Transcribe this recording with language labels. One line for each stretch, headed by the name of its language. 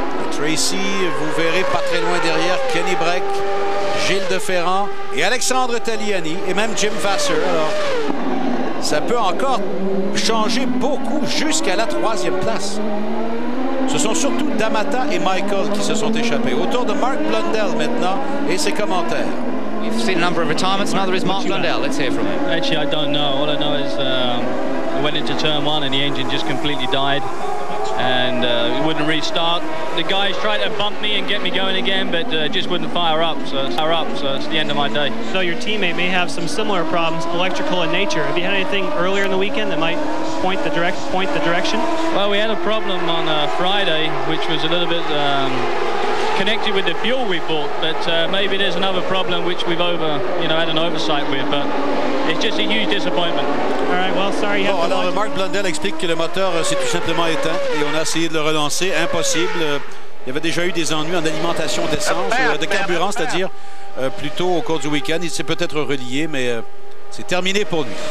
French: Tracy, vous verrez pas très loin derrière Kenny Breck, Gilles De Ferrand et Alexandre Taliani et même Jim Vasseur. Alors, ça peut encore changer beaucoup jusqu'à la 3e place. Ce sont surtout D'Amata et Michael qui se sont échappés. Autour de Mark Blundell maintenant et ses commentaires.
English: We've seen a number of retirements. Now there is Mark Blundell. Let's hear from him. Actually, I don't know. All I know is I went into turn one and the engine just completely died. And it wouldn't restart. The guys tried to bump me and get me going again, but just wouldn't fire up. So it's the end of my day. So your teammate may have some similar problems, electrical in nature. Have you had anything earlier in the weekend that might point the direction? Well, we had a problem on Friday, which was a little bit connected with the fuel we bought. But maybe there's another problem which we've had an oversight with. But it's just a huge disappointment.
French: Marc Blundell explique que le moteur s'est tout simplement éteint et on a essayé de le relancer. Impossible. Il y avait déjà eu des ennuis en alimentation d'essence, de carburant, c'est-à-dire plutôt au cours du week-end. Il s'est peut-être relié, mais c'est terminé pour lui.